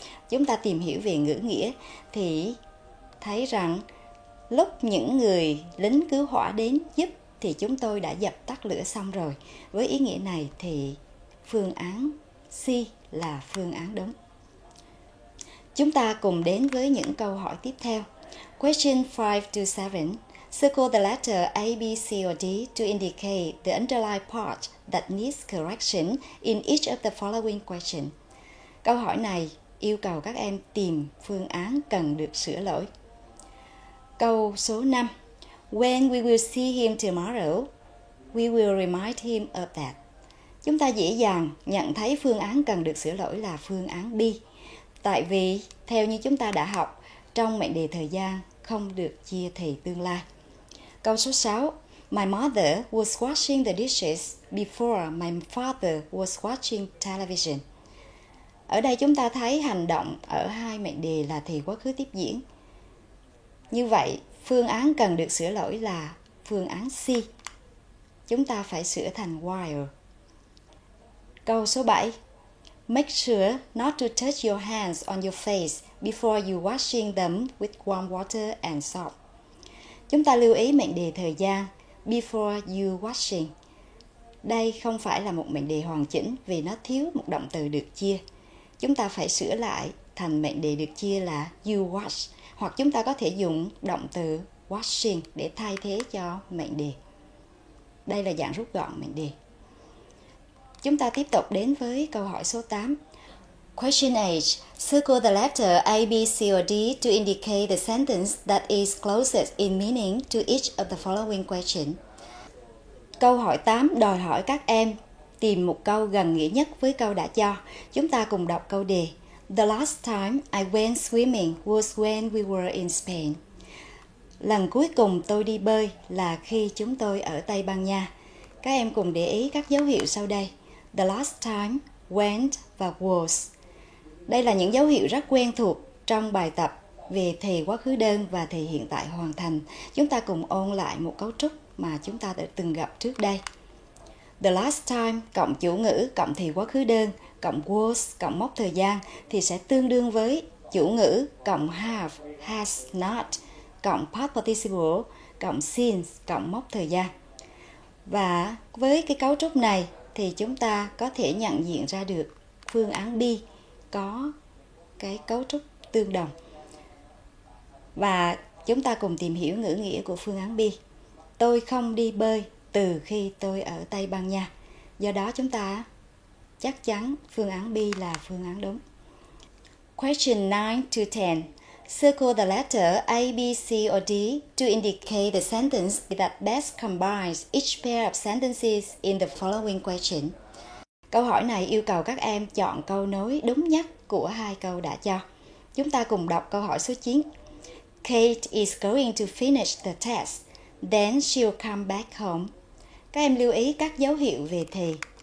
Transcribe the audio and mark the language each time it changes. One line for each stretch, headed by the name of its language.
Vietnamese: Chúng ta tìm hiểu về ngữ nghĩa thì thấy rằng lúc những người lính cứu hỏa đến giúp thì chúng tôi đã dập tắt lửa xong rồi. Với ý nghĩa này thì phương án C là phương án đúng. Chúng ta cùng đến với những câu hỏi tiếp theo.
English: Question 5 to 7. Circle the letter A, B, C or D to indicate the underlying part that needs correction in each of the following question.
Vietnamese: Câu hỏi này yêu cầu các em tìm phương án cần được sửa lỗi. Câu số 5.
English: When we will see him tomorrow, we will remind him of that.
Vietnamese: Chúng ta dễ dàng nhận thấy phương án cần được sửa lỗi là phương án B. Tại vì, theo như chúng ta đã học, trong mệnh đề thời gian không được chia thì tương lai. Câu số 6.
English: My mother was washing the dishes before my father was watching television.
Vietnamese: Ở đây chúng ta thấy hành động ở hai mệnh đề là thì quá khứ tiếp diễn. Như vậy, phương án cần được sửa lỗi là phương án C. Chúng ta phải sửa thành while. Câu số 7.
English: Make sure not to touch your hands on your face before you washing them with warm water and soap.
Vietnamese: Chúng ta lưu ý mệnh đề thời gian
English: before you washing.
Vietnamese: Đây không phải là một mệnh đề hoàn chỉnh vì nó thiếu một động từ được chia. Chúng ta phải sửa lại thành mệnh đề được chia là you wash, hoặc chúng ta có thể dùng động từ washing để thay thế cho mệnh đề. Đây là dạng rút gọn mệnh đề. Chúng ta tiếp tục đến với câu hỏi số 8.
English: Question 8. Circle the letter A, B, C or D to indicate the sentence that is closest in meaning to each of the following question.
Vietnamese: Câu hỏi 8 đòi hỏi các em tìm một câu gần nghĩa nhất với câu đã cho. Chúng ta cùng đọc câu đề.
English: The last time I went swimming was when we were in Spain.
Vietnamese: Lần cuối cùng tôi đi bơi là khi chúng tôi ở Tây Ban Nha. Các em cùng để ý các dấu hiệu sau đây. The last time, went và was. Đây là những dấu hiệu rất quen thuộc trong bài tập về thì quá khứ đơn và thì hiện tại hoàn thành. Chúng ta cùng ôn lại một cấu trúc mà chúng ta đã từng gặp trước đây. The last time cộng chủ ngữ cộng thì quá khứ đơn cộng was cộng mốc thời gian thì sẽ tương đương với chủ ngữ cộng have, has, not cộng past participle cộng since cộng mốc thời gian. Và với cái cấu trúc này thì chúng ta có thể nhận diện ra được phương án B có cái cấu trúc tương đồng. Và chúng ta cùng tìm hiểu ngữ nghĩa của phương án B. Tôi không đi bơi từ khi tôi ở Tây Ban Nha. Do đó chúng ta chắc chắn phương án B là phương án đúng.
English: Question 9 to 10. Circle the letter A, B, C or D to indicate the sentence that best combines each pair of sentences in the following question.
Vietnamese: Câu hỏi này yêu cầu các em chọn câu nối đúng nhất của hai câu đã cho. Chúng ta cùng đọc câu hỏi số 9.
English: Kate is going to finish the test. Then she'll come back home.
Vietnamese: Các em lưu ý các dấu hiệu về thì.